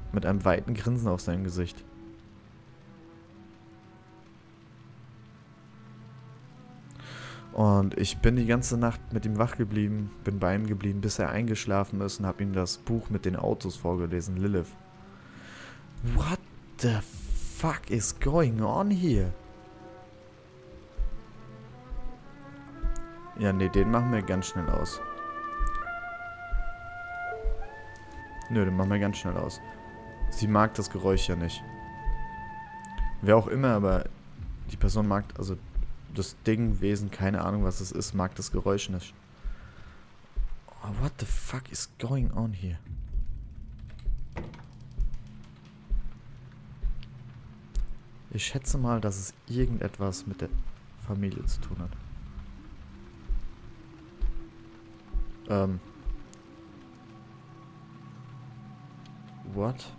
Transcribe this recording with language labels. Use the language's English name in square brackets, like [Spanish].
[German] Mit einem weiten Grinsen auf seinem Gesicht. Und ich bin die ganze Nacht mit ihm wach geblieben, bin bei ihm geblieben, bis er eingeschlafen ist und habe ihm das Buch mit den Autos vorgelesen, Lilith. [English] What the fuck is going on here? [German] Ja, nee, den machen wir ganz schnell aus. Nö, den machen wir ganz schnell aus. Sie mag das Geräusch ja nicht. Wer auch immer, aber die Person mag, also das Ding, Wesen, keine Ahnung, was es ist, mag das Geräusch nicht. [English] Oh, what the fuck is going on here? [German] Ich schätze mal, dass es irgendetwas mit der Familie zu tun hat. [English] What?